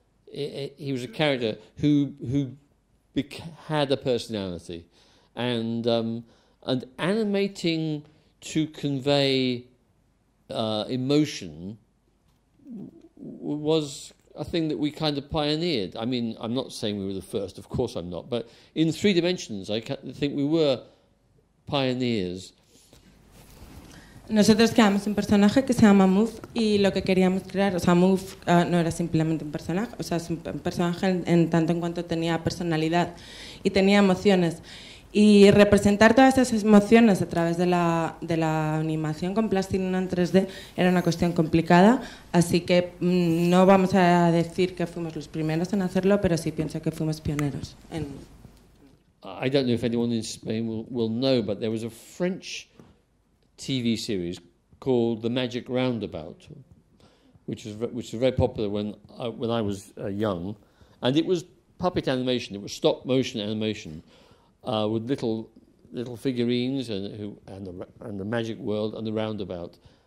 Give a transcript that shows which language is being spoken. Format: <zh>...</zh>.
<en>He was a character who had a personality, and animating to convey emotion was a thing that we kind of pioneered. I mean, I'm not saying we were the first, of course I'm not, but in three dimensions I think we were pioneers.</en> <es>Nosotros creamos un personaje que se llama Move y lo que queríamos crear, o sea, Move no era simplemente un personaje, o sea, es un personaje en tanto en cuanto tenía personalidad y tenía emociones. Y representar todas esas emociones a través de la animación con plastilina en 3D era una cuestión complicada, así que no vamos a decir que fuimos los primeros en hacerlo, pero sí pienso que fuimos pioneros.</es> <en>I don't know if anyone in Spain will know, but there was a French TV series called The Magic Roundabout, which was very popular when I was young, and it was puppet animation. It was stop motion animation with little figurines and the magic world and the roundabout.</en>